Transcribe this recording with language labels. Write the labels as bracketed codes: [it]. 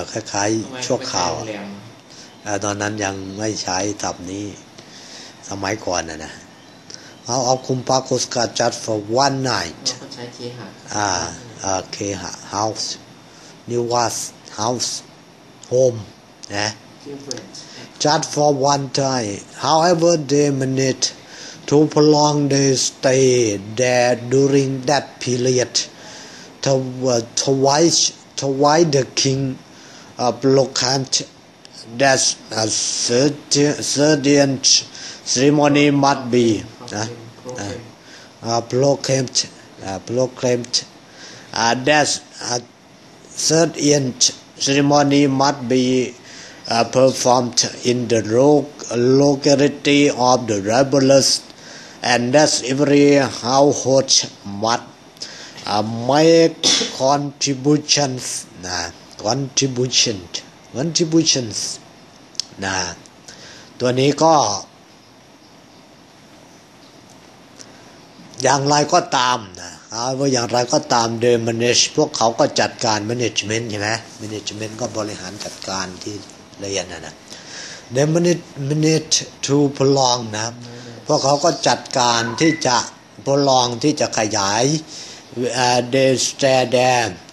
[th] คล้ายๆชั่วคราวตอนนั้นยังไม่ใช้ศัพท์นี้สมัยก่อนนะเอาคุมปาโคสกาจัด [en] for one night [th] เขาใช้เคหะ เคหะ house นี่ว่า house home นะ [en] Just for one time. However, they managed to prolong their stay there during that period. Twice the king proclaimed that a certain ceremony must be performed in the locality of the rebels, and that every household must make contributions. Contributions. [th] นะตัวนี้ก็อย่างไรก็ตามนะว่าอย่างไรก็ตามเดิมแมเนจพวกเขาก็จัดการแมเนจเมนต์ใช่ไหมแมเนจเมนต์ก็บริหารจัดการที่เลยนะ [en] They managed to prolong [th] นะพวกเขาก็จัดการที่จะ prolong ที่จะขยาย [en] they stay there